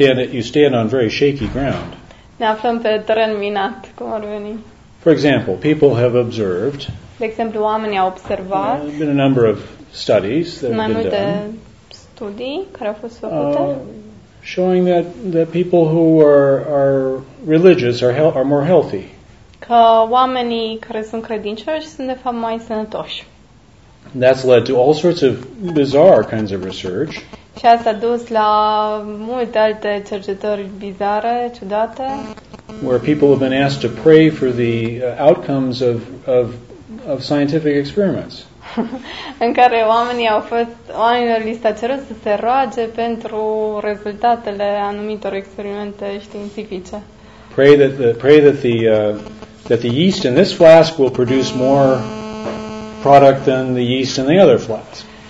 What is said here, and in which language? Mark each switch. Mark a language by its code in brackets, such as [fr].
[en] you stand on very shaky ground. [ro] Ne aflăm pe teren minat, cum ar veni. [en] For example, people have observed. [ro] De exemplu, oamenii au observat. [en] There have been a number of studies that [ro] mai [en] have been [ro] multe [en] done, [ro] studii care au fost făcute, [en] showing that people who are religious are more healthy. [ro] Că oamenii care sunt credincioși sunt de fapt mai sănătoși. [en] That's led to all sorts of bizarre kinds of research. [ro] Și asta a dus la multe alte cercetări bizare, ciudate, [en] where people have been asked to pray for the outcomes of scientific experiments. [ro] În care oamenilor li s-a cerut să se roage pentru rezultatele anumitor experimente științifice. [en] Pray that the yeast in this flask will produce more product than the yeast in the other flask.